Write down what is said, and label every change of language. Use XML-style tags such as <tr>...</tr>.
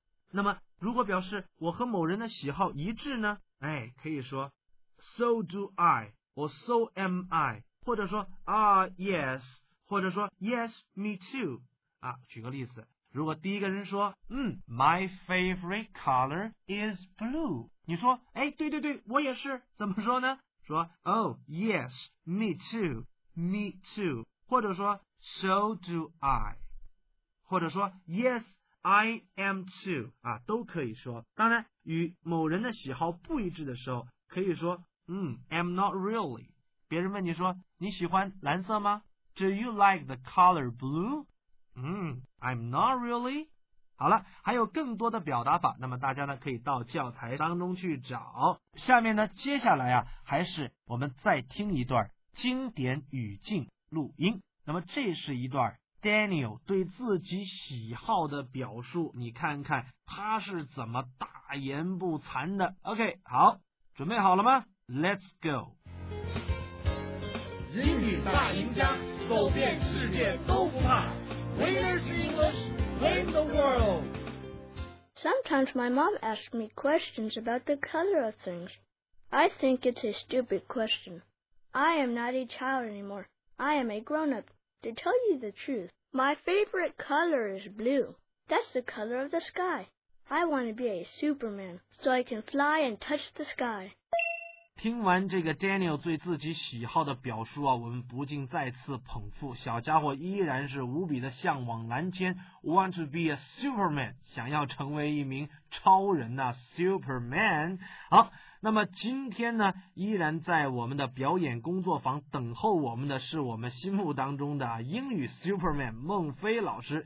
<zh>那么如果表示我和某人的喜好一致呢，哎，可以说</zh> <en>so do I or so am I，</en> <zh>或者说 ah yes， 或者说</zh> <en>yes me too。</en> <zh>啊，举个例子，如果第一个人说</zh> <en>my favorite color is blue，</en> <zh>你说哎，对对对，我也是，怎么说呢？说</zh> <en>oh yes me too me too，</en> <zh>或者说</zh> <en>so do I，</en> <zh>或者说</zh> <en>Yes, I am too</en> <zh>啊，都可以说。当然与某人的喜好不一致的时候可以说</zh> <en>I'm not really。</en> <zh>别人问你说你喜欢蓝色吗？</zh> <en>Do you like the color blue? I'm not really。</en> <zh>好了，还有更多的表达法，那么大家呢可以到教材当中去找。下面呢接下来啊还是我们再听一段经典语境录音。那么这是一段Daniel 对自己喜好的表述，你看看他是怎么大言不惭的。 OK， 好，准备好了吗？</zh> <en>Let's go。</en> <zh>英语大赢家，走遍世界都不怕。</zh> <en>Winners English, win the world。 Sometimes my mom asks me questions about the color of things. I think it's a stupid question. I am not a child anymore. I am a grown-up. To tell you the truth, my favorite color is blue. That's the color of the sky. I want to be a Superman, so I can fly and touch the sky.</en> <zh>听完这个 Daniel 对自己喜好的表述啊，我们不禁再次捧腹。小家伙依然是无比的向往蓝天 ，</zh> <en>want to be a Superman，</en> <zh>想要成为一名超人呐、啊、，Superman。好。那么今天呢依然在我们的表演工作坊等候我们的是我们心目当中的英语 Superman 孟非老师。</zh>